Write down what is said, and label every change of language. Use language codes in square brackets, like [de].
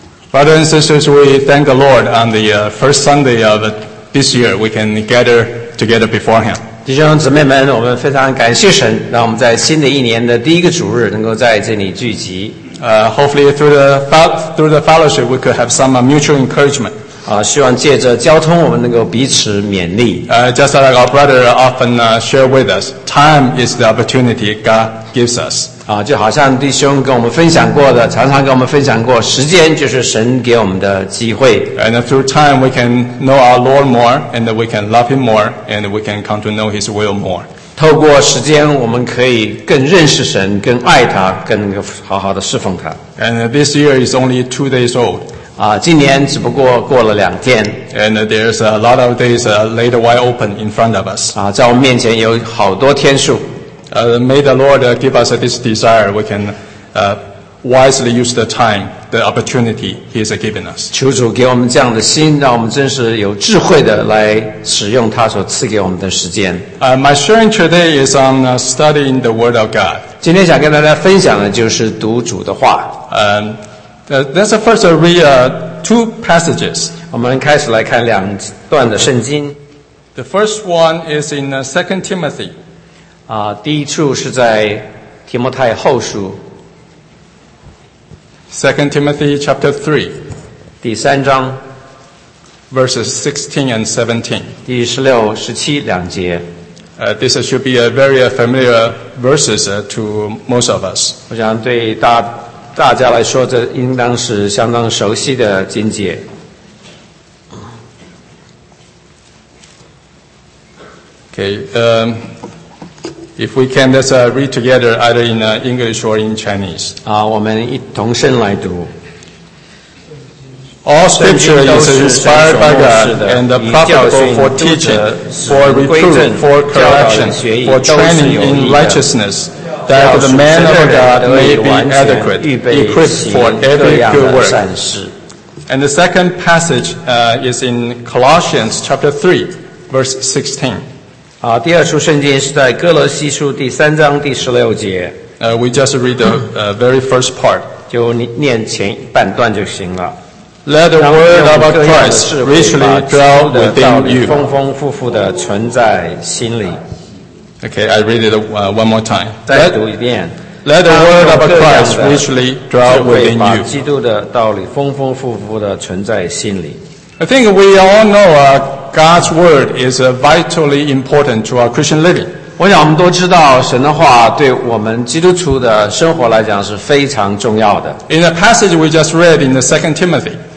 [en] Brothers and sisters, we thank the Lord on the first Sunday of this year we can gather together before Him. [zh] 弟兄姊妹们，我们非常感谢神，让我们在新的一年的第一个主日能够在这里聚集。 [en] Hopefully through the fellowship we could have some mutual encouragement. [zh] 希望借着交通我们能够彼此勉励。 [en] Just like our brother often share with us, time is the opportunity God gives us. [zh] 就好像弟兄跟我们分享过的，常常跟我们分享过，时间就是神给我们的机会。 [en] And through time we can know our Lord more, and we can love Him more, and we can come to know His will more. [zh] 透过时间我们可以更认识神，更爱他，更能够好好的侍奉他。 [en] And this year is only 2 days old. [zh] 今年只不过过了两天。 [en] And there's a lot of days laid wide open in front of us. [zh] 在我们面前有好多天数。 [en] May the Lord give us this desire. We can wisely use the time, the opportunity He has given us. [zh] 求主给我们这样的心，让我们真是有智慧的来使用他所赐给我们的时间。 [en] My sharing today is on studying the Word of God. [zh] 今天想跟大家分享的就是读主的话。 [en] Let's first read two passages. [zh] 我们开始来看两段的圣经。 [en] The first one is in 2 Timothy. [zh] 第一处是在提摩太后书。 [en] 2 Timothy chapter 3, [zh] 第三章 [en] verses 16 and 17. [zh] 第16、17两节。 [en] This should be a very familiar verses to most of us. [zh] 我想对大家来说，这应当是相当熟悉的经节。 [en] Okay, if we can, let's read together either in English or in Chinese. [zh] 我们一同声来读。 [en] All scripture is inspired by God and profitable for teaching, for reproof, for correction, for training in righteousness, that the man of God may be adequate, equipped for every good work. And the second passage is in Colossians chapter 3, verse 16. [zh] 第二处圣经是在哥罗西书第三章第十六节。 [en] We just read the very first part. [zh] 就念前半段就行了。 [en] Let the word of Christ richly dwell within you. [zh] 丰丰富富的存在心里。 [en] Okay, I read it one more time. [zh] 再读一遍。 [en] Let the word of Christ richly dwell within you. [zh] 基督的道理丰丰富富的存在心里。 [en] I think we all know God's word is vitally important to our Christian living. [zh] 我想我们都知道神的话对我们基督徒的生活来讲是非常重要的。 [en] In the passage we just read in the 2 Timothy,